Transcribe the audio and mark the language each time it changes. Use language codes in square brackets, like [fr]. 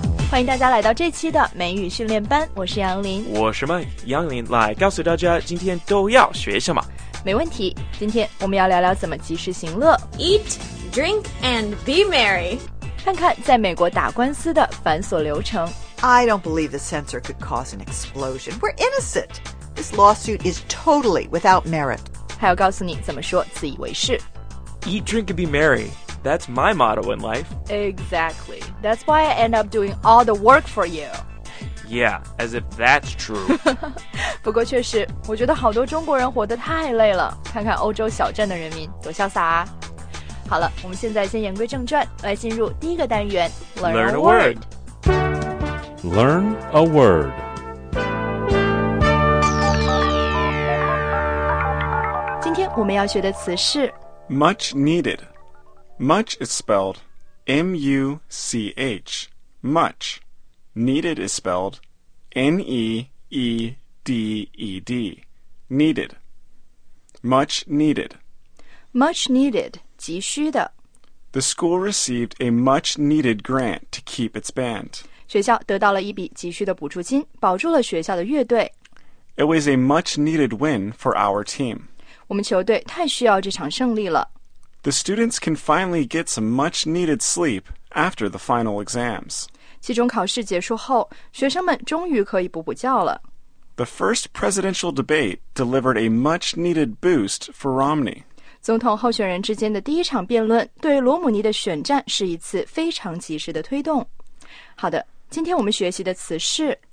[zh] 欢迎大家来到这期的美语训练班，我是杨林。我是麦杨林，来告诉大家今天都要学什么。没问题，今天我们要聊聊怎么及时行乐。 [en] Eat, drink, and be merry. [zh] 看看在美国打官司的繁琐流程。 [en] I don't believe the censor could cause an explosion. We're innocent. This lawsuit is totally without merit. [zh] 还要告诉你怎么说自以为是。 [en] Eat, drink, and be merry. That's my motto in life. Exactly. That's why I end up doing all the work for you. Yeah, as if that's true. [zh] 不过确实，我觉得好多中国人活得太累了。看看欧洲小镇的人民多潇洒啊。好了，我们现在先言归正传，来进入第一个单元 [en] Learn a word. Learn a word. Today, [zh] 我们要学的词是 [en] much needed. Much is spelled M-U-C-H. Much. Needed is spelled N-E-E-D-E-D. Needed. Much needed. Much needed. [zh] 急需的 [en] The school received a much needed grant to keep its band. [zh] 学校得到了一笔急需的补助金，保住了学校的乐队。 [en] It was a much needed win for our team. [zh] 我们球队太需要这场胜利了。 [en] The students can finally get some much needed sleep after the final exams. [zh] 期中考试结束后，学生们终于可以补补觉了。 [en] The first presidential debate delivered a much needed boost for Romney. [zh] 总统候选人之间的第一场辩论，对罗姆尼的选战是一次非常及时的推动。好的，今天我们学习的词是